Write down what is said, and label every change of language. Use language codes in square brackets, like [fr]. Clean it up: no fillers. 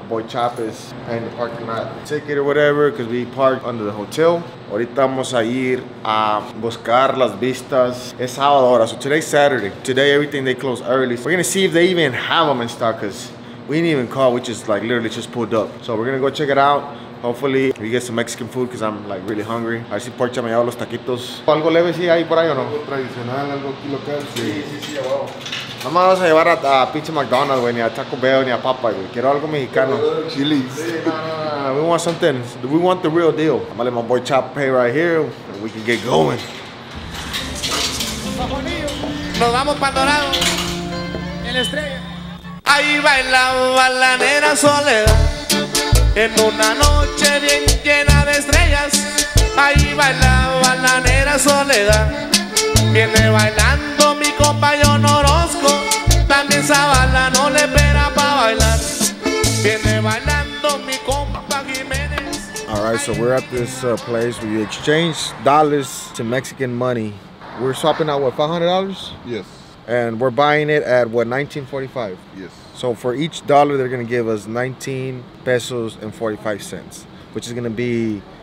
[en] Boy Chop is paying the parking lot ticket or whatever, because we parked under the hotel. [es] Ahorita vamos a ir a buscar las vistas. Es sábado ahora, [en] so today's Saturday. Today, everything, they close early. So we're gonna see if they even have them in stock, because we didn't even call. We just like literally just pulled up. So we're gonna go check it out. Hopefully we get some Mexican food because I'm like really hungry. [es] A ver si Porcha me lleva los taquitos. Algo leve si hay por ahí o no? Algo tradicional, algo aquí local. Sí, sí, sí, abajo. No me vas a llevar a pinche McDonald's, güey, ni a Taco Bell, ni a Papa, güey. Quiero algo mexicano. Chili's. [en] We want something. We want the real deal. I'm gonna let my boy Chop pay right here and we can get going. [es] Nos vamos para Dorado. El Estrella. Ahí va la balanera soledad. En una noche bien llena de estrellas, ahí bailaba la negra soledad. Viene bailando mi compañero Norosco, también Zavala no le espera para bailar. Viene bailando mi compa Jiménez. [en] All right, so we're at this place where you exchange dollars to Mexican money. We're swapping out, what, $500? Yes. And we're buying it at, what, 1945? Yes. So for each dollar, they're going to give us 19 pesos and 45 cents, which is going to be